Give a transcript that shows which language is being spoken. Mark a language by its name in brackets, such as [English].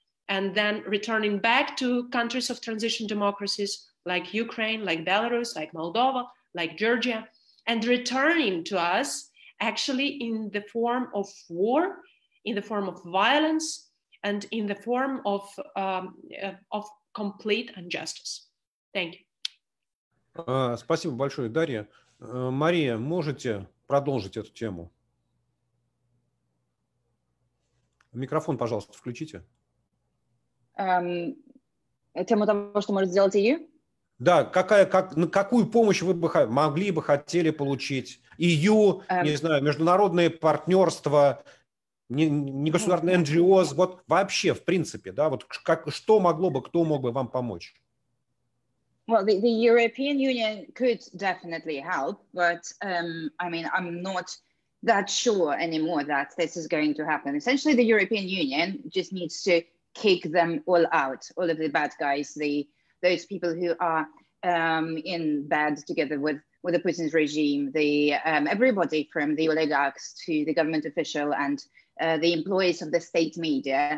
[English] and then returning back to countries of transition democracies like Ukraine, like Belarus, like Moldova, like Georgia, and returning to us actually in the form of war, in the form of violence, and in the form of complete injustice. Thank you. [Russian] Спасибо большое, Дарья. Мария, можете продолжить эту тему? Микрофон, пожалуйста, включите. Тему того, что может сделать EU? Да, какую помощь вы бы могли бы хотели получить? EU, не знаю, международные партнерства, негосударственные NGO, вот вообще, в принципе, да, вот как, что могло бы, кто мог бы вам помочь? [English] Well, the European Union could definitely help, but I mean, I'm not that sure anymore that this is going to happen. Essentially, the European Union just needs to kick them all out, all of the bad guys, those people who are in bed together with the Putin's regime, everybody from the oligarchs to the government official and the employees of the state media.